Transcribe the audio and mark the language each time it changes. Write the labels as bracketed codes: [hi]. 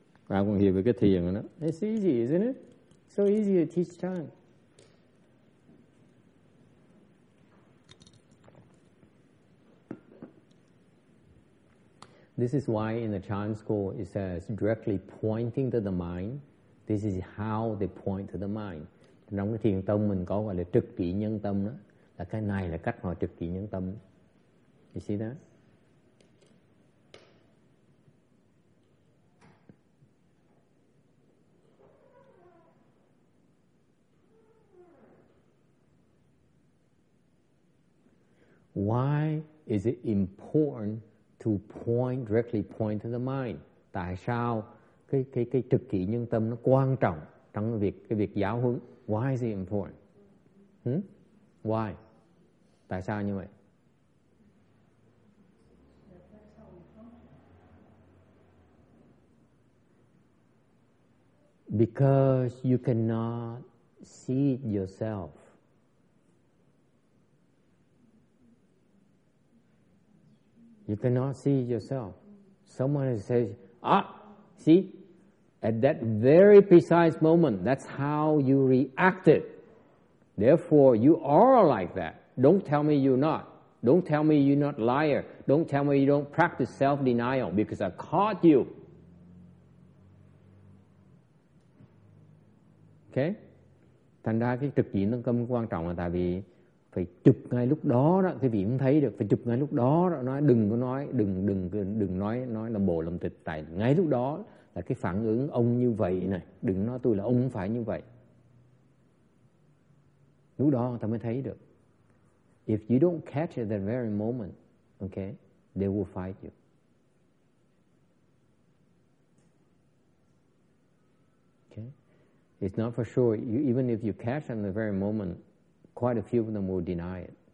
[en] I won't hear [vi] cái thiền nữa. [en] It's easy, isn't it? So easy to teach Chan. This is why in the Chan school it says directly pointing to the mind. This is how they point to the mind. [vi] Trong cái thiền tông mình có gọi là trực kỷ nhân tâm đó, là cái này là cách họ trực kỷ nhân tâm. [en] You see that? Why is it important to directly point to the mind? [vi] Tại sao cái trực kỷ nhân tâm nó quan trọng trong cái việc giáo huấn? [en] Why is it important? Why? [vi] Tại sao như vậy? [en] Because you cannot see it yourself. You cannot see yourself. Someone says, ah, see, at that very precise moment, that's how you reacted. Therefore, you are like that. Don't tell me you're not. Don't tell me you're not a liar. Don't tell me you don't practice self-denial because I caught you. Okay? [vi] Thành ra cái trực diện tâm quan trọng là tại vì phải chụp ngay lúc đó đó, cái vị cũng thấy được, phải chụp ngay lúc đó đó, nói đừng có nói, đừng nói là bồ lầm tịch, tại ngay lúc đó là cái phản ứng ông như vậy này, đừng nói tôi là ông không phải như vậy. Lúc đó ta mới thấy được. [en] If you don't catch it at that very moment, okay, they will fight you. Okay? It's not for sure, even if you catch them at the very moment, quite a few of them will deny it.